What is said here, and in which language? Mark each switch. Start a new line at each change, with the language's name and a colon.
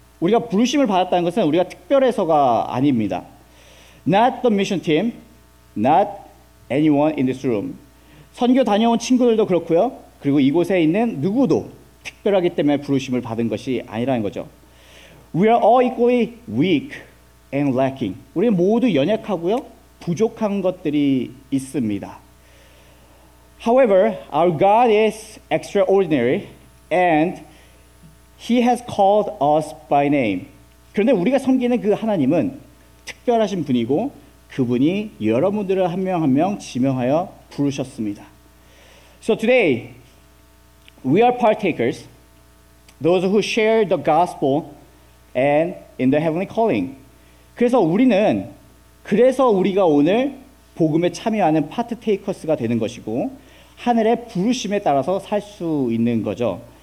Korean: 우리가 부르심을 받았다는 것은 우리가 특별해서가 아닙니다.
English: Not the mission team, not anyone in this room.
Korean: 선교 다녀온 친구들도 그렇고요. 그리고 이곳에 있는 누구도 특별하기 때문에 부르심을 받은 것이 아니라는 거죠.
English: We are all equally weak and lacking.
Korean: 우리 모두 연약하고요. 부족한 것들이 있습니다.
English: However, our God is extraordinary and He has called us by name.
Korean: 그런데 우리가 섬기는 그 하나님은 특별하신 분이고 그분이 여러분들을 한 명 한 명 지명하여 부르셨습니다.
English: So today, we are partakers, those who share the gospel and in the heavenly calling.
Korean: 그래서 우리는, 그래서 우리가 오늘 복음에 참여하는 파트테이커스가 되는 것이고 하늘의 부르심에 따라서 살 수 있는 거죠.